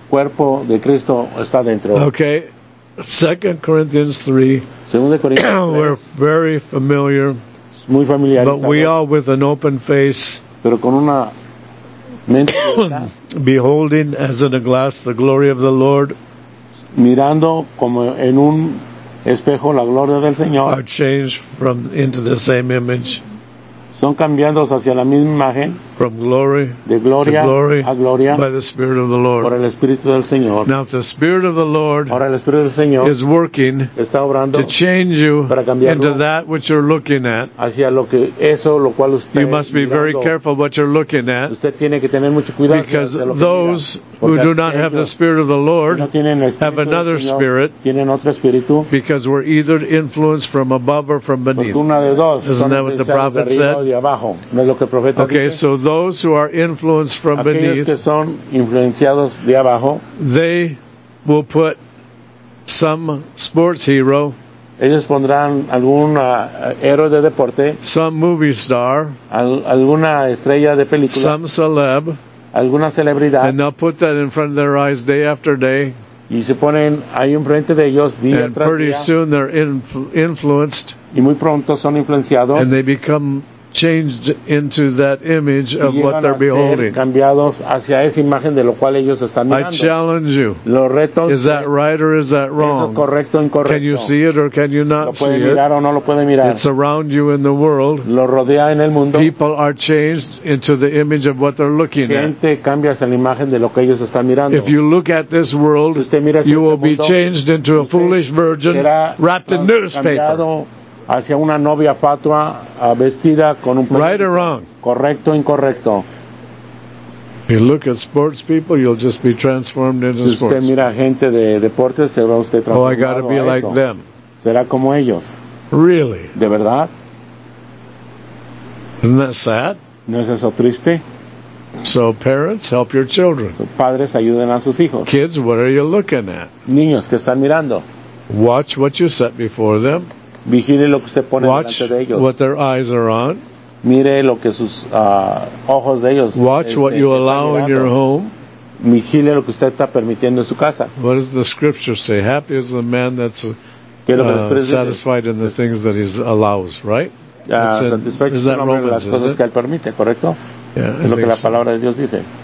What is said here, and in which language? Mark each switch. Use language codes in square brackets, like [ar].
[es] Cuerpo de Cristo está dentro. [en] Okay, 2 Corinthians 3. [es] Segunda Corintios 3. [en] We're very familiar. [es] Muy familiar. [en] But we are with an open face. [es] Pero con una mente [en] beholding as in a glass the glory of the Lord. [es] Mirando como en un espejo la gloria del Señor. [en] Are changed from into the same image. [es] Son cambiados hacia la misma imagen [en] from glory [es] de gloria [en] to glory [es] a gloria [en] by the Spirit of the Lord. [es] Por el Espíritu del Señor. [en] Now if the Spirit of the Lord [es] ahora el Espíritu del Señor [en] is working [es] está obrando [en] to change you [es] para cambiarlo [en] into that which you're looking at [es] hacia lo que eso lo cual usted [en] you must be [es] mirando, [en] very careful what you're looking at [es] usted tiene que tener mucho cuidado [en] because those who do not have the Spirit of the Lord [es] no tienen el Espíritu [en] have another [es] del Señor, [en] spirit [es] tienen otro espíritu, [en] because we're either influenced from above or from beneath. [es] Una de dos, [en] isn't that what the prophet said? [es] Abajo. No es lo que el profeta [en] okay, [es] dice. [en] So those who are influenced from [es] aquellos [en] beneath, [es] que son influenciados de abajo, [en] they will put some sports hero, [es] ellos pondrán algún héroe de deporte, [en] some movie star, [es] alguna estrella de película, [en] some celeb, [es] alguna celebridad, [en] and they'll put that in front of their eyes day after day. [es] Y se ponen ahí enfrente de ellos día [en] and [es] tras [en] pretty [es] día, [en] soon they're influenced, [es] y muy pronto son influenciados, [en] and they become changed into that image of what they're [es] a [en] beholding. [es] Cambiados hacia esa imagen de lo cual ellos están mirando. [en] I challenge you. Is that right or is that wrong? [es] ¿Es correcto o incorrecto? [en] Can you see it or can you not [es] ¿lo puede [en] see [es] mirar [en] it? [es] O no lo puede mirar? [en] It's around you in the world. [es] Lo rodea en el mundo. [en] People are changed into the image of what they're looking [es] gente [en] at. [es] Gente cambia hacia la imagen de lo que ellos están mirando. [en] If you look at this world, [es] si usted mira [en] you will [es] este mundo, [en] be changed into a foolish virgin wrapped in newspaper. [es] Hacia una novia fatua vestida con un [en] right or wrong. [es] Correcto o incorrecto. [en] If you look at sports people, you'll just be transformed into [es] sports. Si usted mira gente de deportes, será usted transformado. [en] Oh, I gotta be like them. [es] Será como ellos. [en] Really? [es] ¿De verdad? [en] Isn't that sad? [es] ¿No es eso triste? [en] So parents, help your children. So [es] padres, ayuden a sus hijos. [en] Kids, what are you looking at? [es] Niños, ¿qué están mirando? [en] Watch what you set before them. [es] Vigile lo que usted pone [en] watch [es] delante de ellos. [en] What their eyes are on. [es] Mire lo que sus ojos de ellos. [en] Watch what you allow in your home. [es] Vigile lo que usted está permitiendo en su casa. [en] What does the scripture say? Happy is the man that's satisfied in the things that he allows, right? [es] Satisfecho es el hombre de las cosas que él permite, ¿correcto? [en] Yeah, [es] es lo que la palabra de Dios dice.